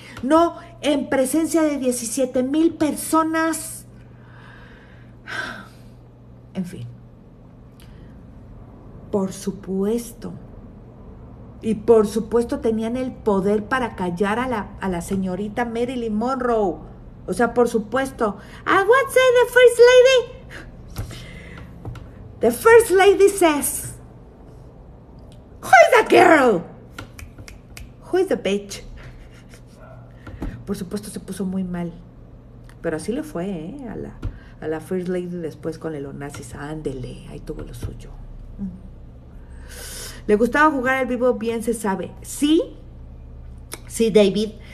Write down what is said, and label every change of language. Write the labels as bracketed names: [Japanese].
[Spanish] No en presencia de 17 mil personas. En fin. Por supuesto. Y por supuesto tenían el poder para callar a la señorita Marilyn Monroe. O sea, por supuesto. [English] I would say the first lady. The first lady says, who is that girl? Who is the bitch? [Spanish] Por supuesto se puso muy mal. Pero así le fue, ¿eh? A la first lady después con el onazis. Ándele, ahí tuvo lo suyo. ¿Le gustaba jugar al vivo? Bien se sabe. Sí, sí, David.